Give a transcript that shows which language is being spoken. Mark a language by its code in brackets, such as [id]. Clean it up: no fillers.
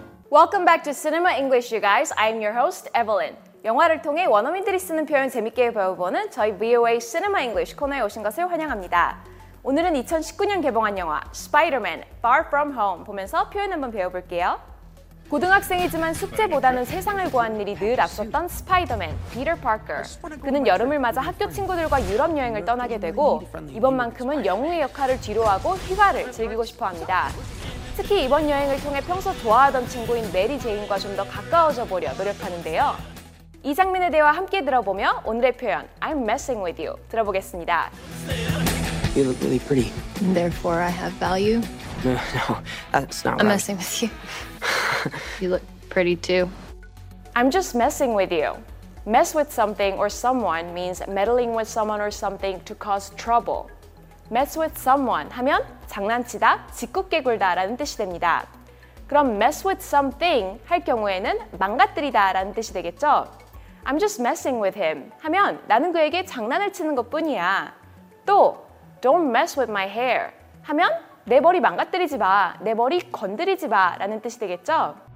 [en] Welcome back to Cinema English, you guys. I'm your host, Evelyn. [ko] 영화를 통해 원어민들이 쓰는 표현 재밌게 배워보는 저희 VOA Cinema English 코너에 오신 것을 환영합니다. 오늘은 2019년 개봉한 영화 Spider-Man Far From Home 보면서 표현 한번 배워볼게요. 고등학생이지만 숙제보다는 세상을 구하는 일이 늘 앞섰던 스파이더맨, 피터 파커. 그는 여름을 맞아 학교 친구들과 유럽 여행을 떠나게 되고 이번만큼은 영웅의 역할을 뒤로하고 휴가를 즐기고 싶어합니다. 특히 이번 여행을 통해 평소 좋아하던 친구인 메리 제인과 좀 더 가까워져 보려 노력하는데요. 이 장면의 대화 함께 들어보며 오늘의 표현 [en] I'm messing with you [ko] 들어보겠습니다. [en] You look really pretty. Therefore I have value. No, that's not right. I'm messing with you. You look pretty too. I'm just messing with you. Mess with something or someone means meddling with someone or something to cause trouble. Mess with someone [ko] 하면 장난치다, 짓궂게 굴다 라는 뜻이 됩니다. 그럼 [en] mess with something [ko] 할 경우에는 망가뜨리다 라는 뜻이 되겠죠? [en] I'm just messing with him [ko] 하면 나는 그에게 장난을 치는 것 뿐이야. 또 [en] don't mess with my hair [ko] 하면 내 머리 망가뜨리지 마, 내 머리 건드리지 마 라는 뜻이 되겠죠?